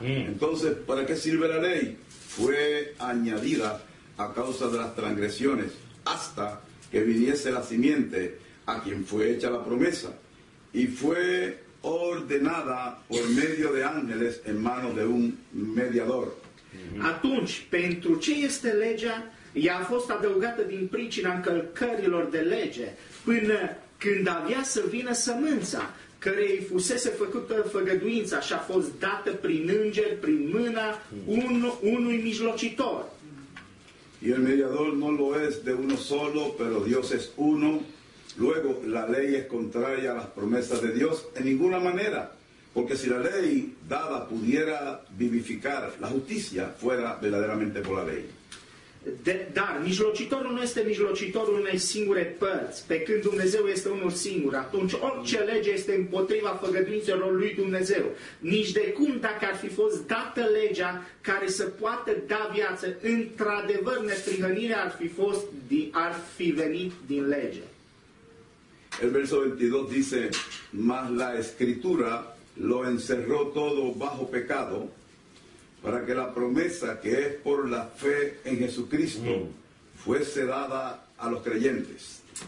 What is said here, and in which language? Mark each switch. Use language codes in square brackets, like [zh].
[es] Entonces, ¿para qué sirve la ley? Fue añadida a causa de las transgresiones hasta que viniese la simiente a quien fue hecha la promesa y fue ordenada por medio de ángeles en manos de un mediador. [ro] Atunci, pentru ce este legea? Ea a fost adăugată din pricina încălcărilor de lege, până când avea să vină sămânța, cărei fusese făcută făgăduința și a fost dată prin îngeri, prin mâna unui mijlocitor. [es] Y el mediador no lo es de uno solo, pero Dios es uno. Luego, la ley es contraria a las promesas de Dios en ninguna manera. Porque si la ley dada pudiera vivificar la justicia, fuera verdaderamente por la ley. [ro] Dar mijlocitorul nu este mijlocitorul unei singure părți, pe când Dumnezeu este unul singur. Atunci orice lege este împotriva făgăduințelor lui Dumnezeu. Nici de cum dacă ar fi fost dată legea care să poată da viață, într-adevăr neprihănirea ar fi venit din lege. [es] El verso 22 dice, mas la Escritura lo encerró todo bajo pecado para que la promesa que es por la fe en Jesucristo fuese dada a los creyentes.